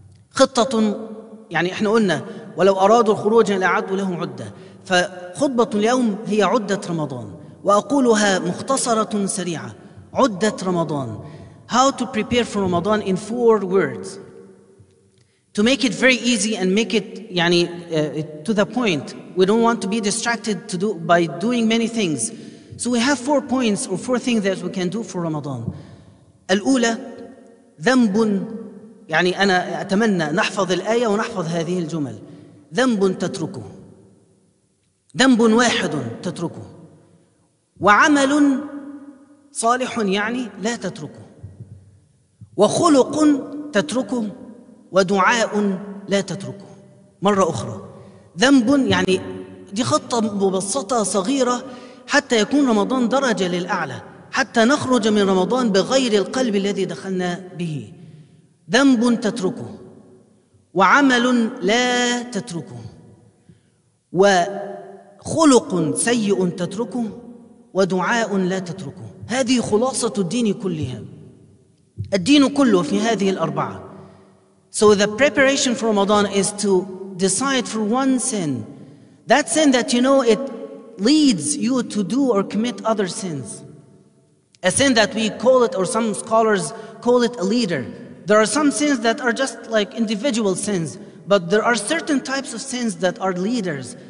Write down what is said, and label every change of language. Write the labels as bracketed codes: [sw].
[ar] خطة يعني إحنا قلنا ولو أرادوا الخروج لأعدوا له عدة فخطبة اليوم هي عدة رمضان وأقولها مختصرة سريعة عدة رمضان [en] How to prepare for Ramadan in 4 words. To make it very easy and make it يعني, to the point, we don't want to be distracted to do, by doing many things. So we have 4 points or 4 things that we can do for Ramadan. الأولى, [ar] ذنب، يعني أنا أتمنى نحفظ الآية ونحفظ هذه الجمل، ذنب تتركه، ذنب واحد تتركه، وعمل صالح يعني لا تتركه، وخلق تتركه، ودعاء لا تتركه. مرة أخرى، ذنب يعني دي خطة مبسطة صغيرة حتى يكون رمضان درجة للأعلى، حتى نخرج من رمضان بغير القلب الذي دخلنا به. ذنب تتركه، وعمل لا تتركه، وخلق سيء تتركه، ودعاء لا تتركه. هذه خلاصة الدين كلها، الدين كله في هذه الأربعة. [en] So the preparation for Ramadan is to decide for one sin, that sin that you know it leads you to do or commit other sins, a sin that we call it, or some scholars call it, a leader. There are some sins that are just like individual sins, but there are certain types of sins that are leaders.